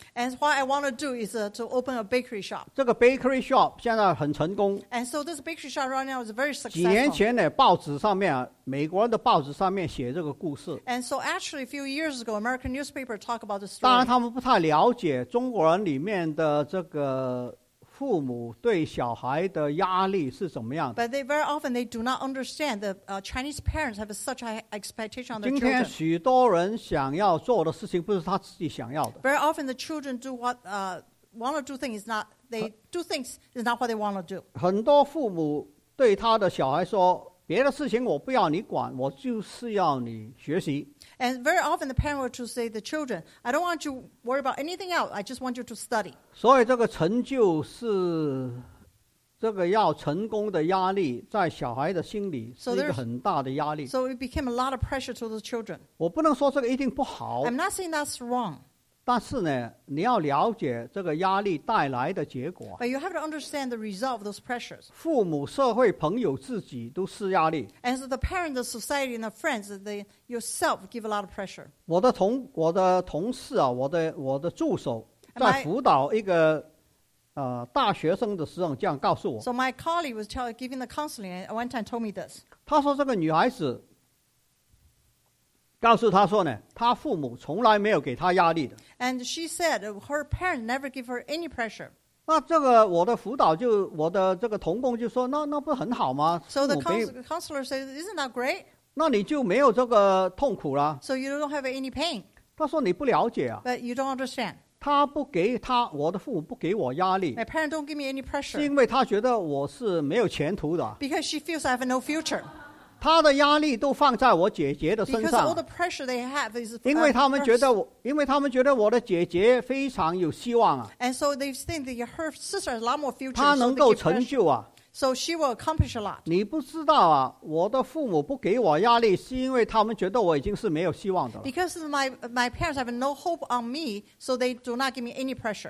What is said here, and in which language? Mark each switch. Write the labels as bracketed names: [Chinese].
[English] And what I want to do is to open a bakery shop. [Chinese] 这个 bakery shop 现在很成功。 [English] And so this bakery shop right now is very successful. [Chinese] 几年前呢，报纸上面，美国人的报纸上面写这个故事。 [English] And so actually, a few years ago, American newspaper talked about the story. [Chinese] 当然，他们不太了解中国人里面的这个父母对小孩的压力是怎么样的。 [English] But they very often they do not understand the Chinese parents have such high expectation on their children. [Chinese] 今天许多人想要做的事情不是他自己想要的。 [English] Very often the children do what want to do things is not they do things is not what they want to do. [Chinese] 很多父母对他的小孩说，别的事情我不要你管，我就是要你学习。 [English] And very often the parents will say to the children, I don't want you to worry about anything else, I just want you to study. [Chinese] 所以这个成就是这个要成功的压力在小孩的心里是一个很大的压力。 [English] So it became a lot of pressure to the children. [Chinese] 我不能说这个一定不好。 [English] I'm not saying that's wrong. [Chinese] 但是呢你要了解这个压力带来的结果。 [English] But you have to understand the result of those pressures. [Chinese] 父母、社会、朋友、自己都施压力。 [English] And so the parents, the society, and the friends, they yourself give a lot of pressure. [Chinese] 我的同事啊，我的助手在辅导一个大学生的时候这样告诉我。 [English] So my colleague was giving the counseling and one time told me this. [Chinese] 他说这个女孩子告诉他说呢，他父母从来没有给他压力的。 [English] And she said her parents never give her any pressure. [Chinese] 那这个我的辅导就我的这个同工就说，那不是很好吗 [English] ？So the counselor said, isn't that great? [Chinese] 那你就没有这个痛苦了。 [English] So you don't have any pain. [Chinese] 他说你不了解啊。 [English] But you don't understand. [Chinese] 他不给他我的父母不给我压力。 [English] My parents don't give me any pressure. [Chinese] 是因为他觉得我是没有前途的。 [English] Because she feels I have no future. [Chinese] 他的压力都放在我姐姐的身上 [English] Because all the pressure they have is, [Chinese] 因为他们觉得我的姐姐非常有希望啊 [English] And so they think that her sister has a lot more future [Chinese] 她能够成就啊 [English] So she will accomplish a lot [Chinese] 你不知道啊我的父母不给我压力是因为他们觉得我已经是没有希望的 [English] Because my parents have no hope on me So they do not give me any pressure